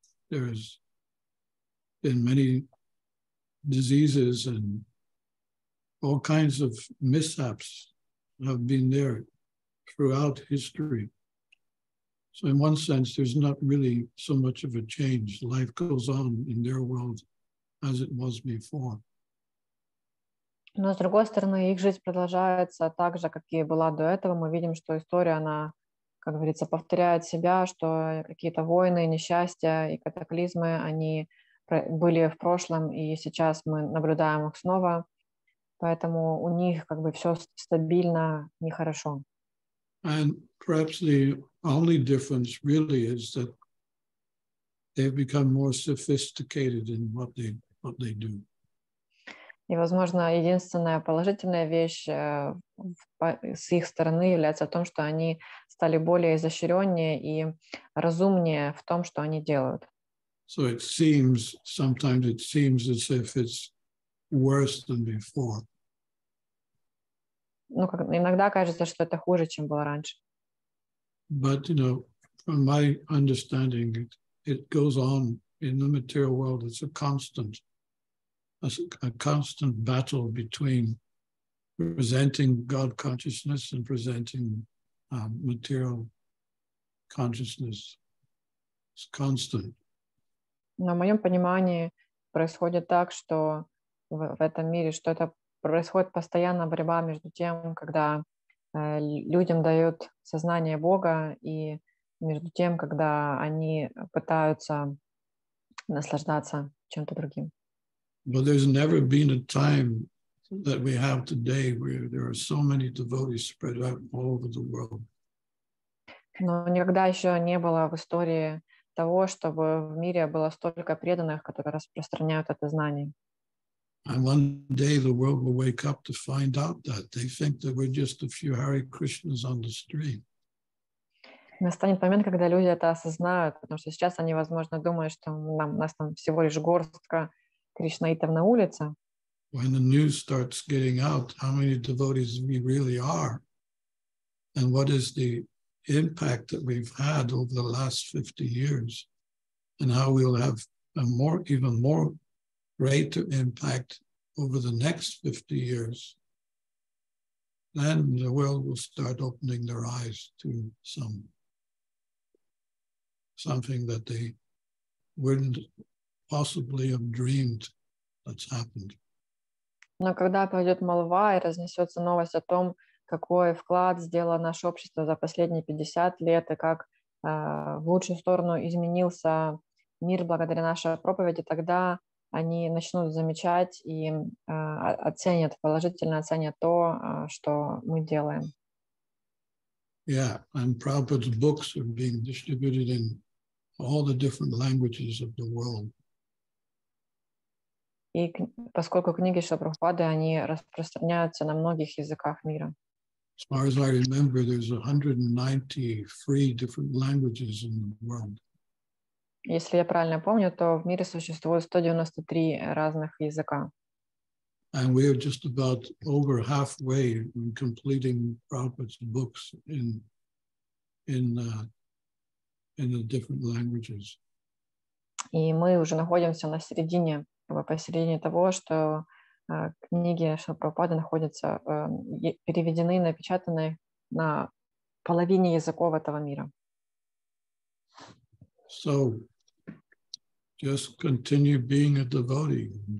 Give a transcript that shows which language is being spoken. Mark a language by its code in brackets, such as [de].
[en] There's been many diseases and all kinds of mishaps have been there throughout history. So in one sense, there's not really so much of a change. Life goes on in their world as it was before. [ru] Но, с другой стороны, их жизнь продолжается так же, как и была до этого. Мы видим, что история, она, как говорится, повторяет себя, что какие-то войны, несчастья и катаклизмы, они были в прошлом, и сейчас мы наблюдаем их снова. Поэтому у них как бы все стабильно, нехорошо. [en] And perhaps the only difference really is that they've become more sophisticated in what they do. [ru] И, возможно, единственная положительная вещь с их стороны является в том, что они стали более изощреннее и разумнее в том, что они делают. [en] So it seems, sometimes it seems as if it's worse than before. [ru] Ну, как, иногда кажется, что это хуже, чем было раньше. [en] But, you know, from my understanding, it goes on in the material world. It's a constant battle between presenting God consciousness and presenting material consciousness. It's constant. [ru] На моем понимании происходит так, что в этом мире что-то происходит постоянно борьба между тем, когда людям дают сознание Бога, и между тем, когда они пытаются наслаждаться чем-то другим. [en] But there's never been a time that we have today where there are so many devotees spread out all over the world. [ru] Но никогда еще не было в истории того, чтобы в мире было столько преданных, которые распространяют это знание. [en] And one day the world will wake up to find out that they think that we're just a few Hare Krishnas on the street. [ru] Настанет момент, когда люди это осознают, потому что сейчас они, возможно, думают, что нам, у нас там всего лишь горстка кришнаитов на улице. [en] When the news starts getting out, how many devotees we really are, and what is the impact that we've had over the last 50 years, and how we'll have a more, even more greater impact over the next 50 years, then the world will start opening their eyes to something that they wouldn't possibly have dreamed that's happened. [ru] Но когда пойдет молва и разнесется новость о том, какой вклад сделало наше общество за последние 50 лет и как в лучшую сторону изменился мир благодаря нашей проповеди, тогда они начнут замечать и оценят, положительно оценят то, что мы делаем. [en] Yeah, and Prabhupada's books are being distributed in all the different languages of the world. [ru] И поскольку книги Шрилы Прабхупады, они распространяются на многих языках мира. [en] As far as I remember, there's 193 different languages in the world. [ru] Если я правильно помню, то в мире существует 193 разных языка. [en] And we are just about over halfway in completing Prabhupada's books in the different languages. [ru] И мы уже находимся на середине, посередине того, что книги Шрилы Прабхупады находятся переведены, напечатаны на половине языков этого мира. [en] So, just continue being a devotee.